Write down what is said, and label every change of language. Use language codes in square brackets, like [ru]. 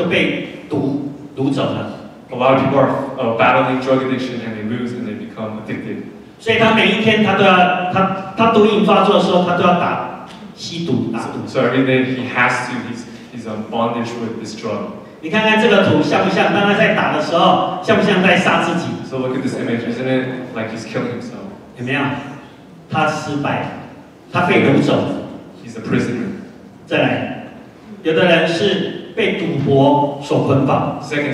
[zh] 跟毒瘾，跟这个吸毒打仗，结果输了，就被毒走了。 [en] A lot of people are battling drug addiction and they lose and they become addicted. [zh] 所以他每一天他都要，他毒瘾发作的时候，他都要打吸毒打毒。 [en] So every day he has to, he's on bondage with this drug. [zh] 你看看这个图像不像？当他在打的时候，像不像在杀自己 [en] ？So look at this image, isn't it like he's killing himself? [zh] 怎么样？他失败，他被毒走。 [en] He's a prisoner. [zh] 再来，有的人是被赌博所捆绑。 [en] Second,